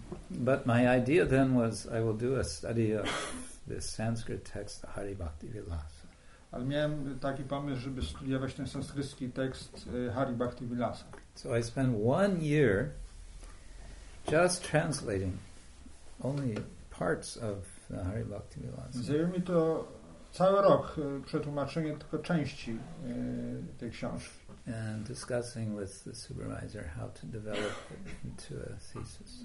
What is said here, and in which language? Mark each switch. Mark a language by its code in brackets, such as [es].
[en] But my idea then was I will do a study of the Sanskrit text, the Hari Bhakti Vilasa. [pl] Ale miałem taki pomysł, żeby studiować ten sanskrytski tekst Hari Bhakti Vilasa. [en] So I spent 1 year just translating only parts of the Hari Bhakti Vilasa. [pl] Zajęło mi to cały rok przetłumaczenie tylko części tej książki. [en] And discussing with the supervisor how to develop it into a thesis.